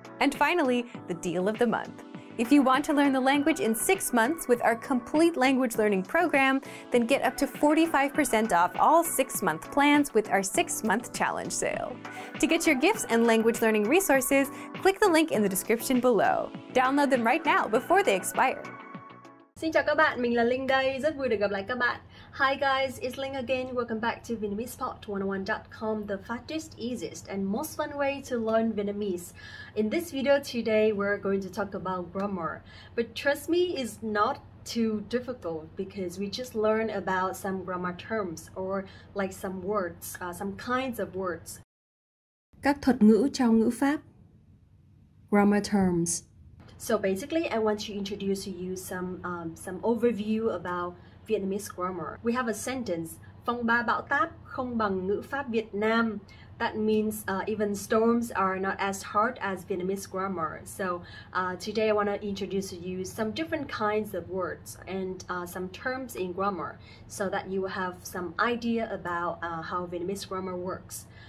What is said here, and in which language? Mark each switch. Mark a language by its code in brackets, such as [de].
[en] And finally, the deal of the month. If you want to learn the language in 6 months with our complete language learning program, then get up to 45% off all 6-month plans with our 6-month challenge sale. To get your gifts and language learning resources, click the link in the description below. Download them right now before they expire. [vi] Xin chào các bạn, mình là Linh đây, rất vui được gặp lại các bạn. [en] Hi guys, it's Linh again. Welcome back to VietnamesePod101.com, the fastest, easiest, and most fun way to learn Vietnamese. In this video today, we're going to talk about grammar. But trust me, it's not too difficult because we just learn about some grammar terms or like some words, some kinds of words. [vi] Các thuật ngữ trong ngữ pháp. [en] Grammar terms. So basically, I want to introduce to you some overview about Vietnamese grammar. We have a sentence, [vi] phong ba bão táp không bằng ngữ pháp Việt Nam. [en] That means even storms are not as hard as Vietnamese grammar. So today I want to introduce to you some different kinds of words and some terms in grammar so that you have some idea about how Vietnamese grammar works.